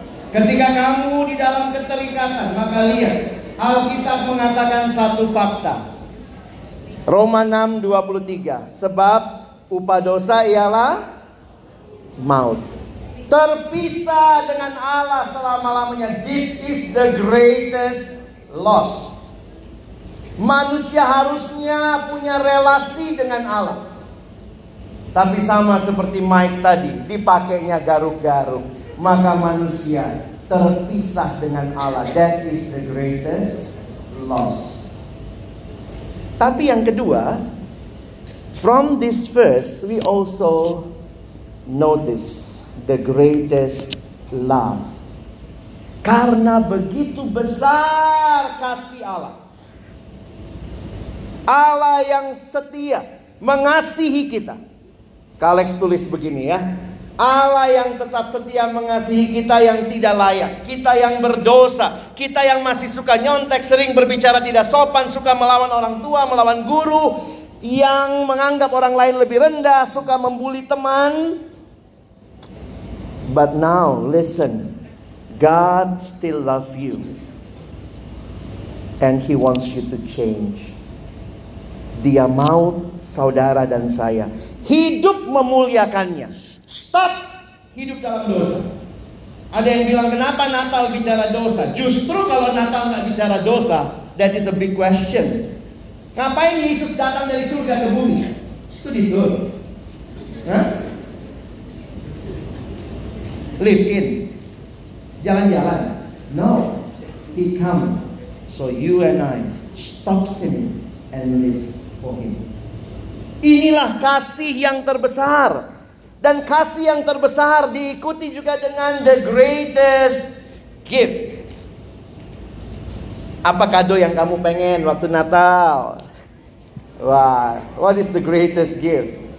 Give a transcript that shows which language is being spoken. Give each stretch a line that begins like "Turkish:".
Indonesian: Ketika kamu di dalam keterikatan, maka lihat Alkitab mengatakan satu fakta. Roma 6:23. Sebab upah dosa ialah maut. Terpisah dengan Allah selama-lamanya.
English: This is the greatest loss.
Indonesian: Manusia harusnya punya relasi dengan Allah. Tapi sama seperti Mike tadi, dipakainya garuk-garuk. Maka manusia terpisah dengan Allah.
English: That is the greatest loss.
Indonesian: Tapi yang kedua,
English: from this verse, we also notice the greatest love.
Indonesian: Karena begitu besar kasih Allah. Allah yang setia mengasihi kita. Kalex tulis begini ya. Allah yang tetap setia mengasihi kita yang tidak layak. Kita yang berdosa. Kita yang masih suka nyontek, sering berbicara tidak sopan, suka melawan orang tua, melawan guru. Yang menganggap orang lain lebih rendah, suka membuli teman.
English: But now, listen. God still loves you. And He wants you to change.
Indonesian: Dia mau saudara dan saya hidup memuliakannya. Stop hidup dalam dosa. Ada yang bilang kenapa Natal bicara dosa? Justru kalau Natal gak bicara dosa,
English: that is a big question.
Indonesian: Ngapain Yesus datang dari surga ke bumi? Studi itu.
English: Live in.
Indonesian: Jalan-jalan.
English: No. He come. So you and I stop sinning and live for Him.
Indonesian: Inilah kasih yang terbesar. Dan kasih yang terbesar diikuti juga dengan
English: the greatest gift.
Indonesian: Apa kado yang kamu pengen waktu Natal?
English: Wah, what is the greatest gift?